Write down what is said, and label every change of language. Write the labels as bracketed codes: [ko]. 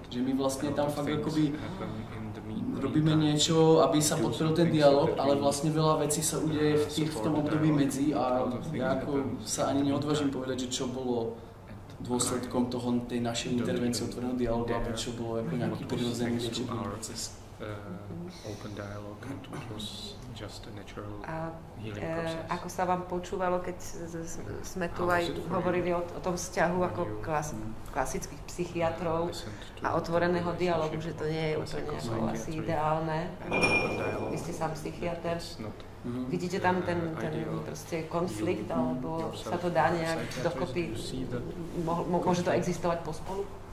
[sk] Že my vlastne tam fakt akoby robíme niečo, aby sa podporil ten dialog, ale vlastne veľa vecí sa udeje v tom období medzi a ja ako sa ani neodvážim povedať, že čo bolo dôsledkom toho tej našej intervencie otvoreného dialogu a prečo bolo ako nejaký prirodzený liečebný proces. [en] Open dialogue and it was just a natural healing process. [sk] Ako sa vám počúvalo, keď sme tu aj hovorili o tom vzťahu ako klasických psychiatrov a otvoreného dialogu, že to nie je úplne ako asi ideálne. Vy ste sám psychiatr. Vidíte tam ten proste konflikt, alebo sa to dá nejak dokopy, môže to existovať pospolu?